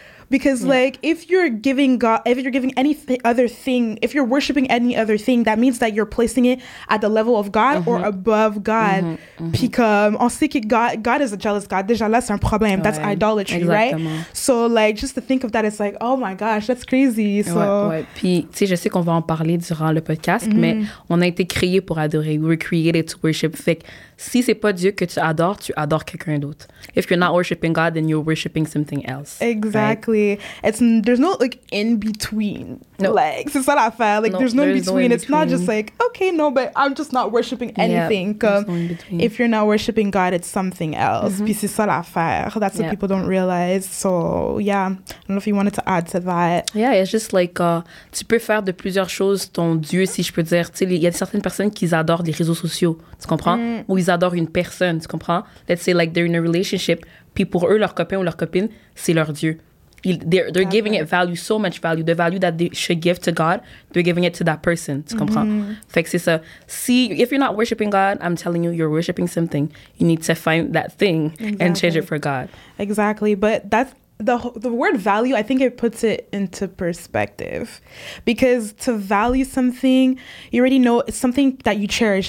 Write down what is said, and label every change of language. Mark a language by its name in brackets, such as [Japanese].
[English] Because, like, if you're giving God, if you're giving any other thing, if you're worshiping any other thing, that means that you're placing it at the level of God or above God. God is a jealous God. [French] Déjà là, c'est un problème. Ouais. [English] That's idolatry, [French] exactement. [English] Right? So, like, just to think of that, it's like, oh my gosh, that's crazy. So, [French] ouais, ouais. Puis, tu sais, je sais qu'on va en parler durant le podcast, mais on a été créés pour adorer. [English] We were created to worship. [French] Fait que si c'est pas Dieu que tu adores, tu adores quelqu'un d'autre. [English] If you're not worshiping God, then you're worshiping something else. Exactly. Right? It's there's no, like, in between. No. Like, [French] c'est ça l'affaire. [English] Like, there's no in between. It's not just like, okay, no, but I'm just not worshiping anything. Yep. There's no in between. If you're not worshiping God, it's something else. [French] Puis c'est ça l'affaire. [English] That's what people don't realize. So, yeah. I don't know if you wanted to add to that. Yeah, it's just like, [French] tu peux faire de plusieurs choses ton Dieu, si je peux dire. Tu sais, il y a certaines personnes qui adorent les réseaux sociaux. Tu comprends? Ou ils adorent une personne. Tu comprends? [English] Let's say, like, they're in a relationship. [French] Puis pour eux, leur copain ou leur copine, c'est leur Dieu. [English] They're giving it value, so much value, the value that they should give to God, they're giving it to that person, [French] tu comprends? Fait que c'est ça. [English] See, if you're not worshiping God, I'm telling you, you're worshiping something. You need to find that thing and change it for God. Exactly, but that's the word value, I think it puts it into perspective, because to value something, you already know it's something that you cherish.